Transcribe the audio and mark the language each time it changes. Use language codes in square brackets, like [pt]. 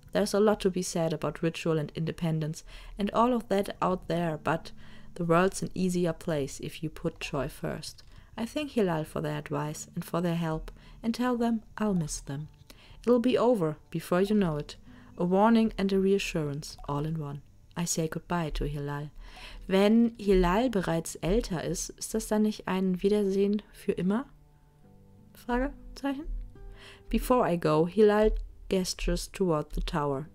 [en] There's a lot to be said about ritual and independence and all of that out there, but the world's an easier place if you put joy first. I thank Hilal for their advice and for their help and tell them I'll miss them. It'll be over before you know it. A warning and a reassurance all in one. I say goodbye to Hilal. [de] Wenn Hilal bereits älter ist, ist das dann nicht ein Wiedersehen für immer? Fragezeichen? [en] Before I go, Hilal gestures toward the tower.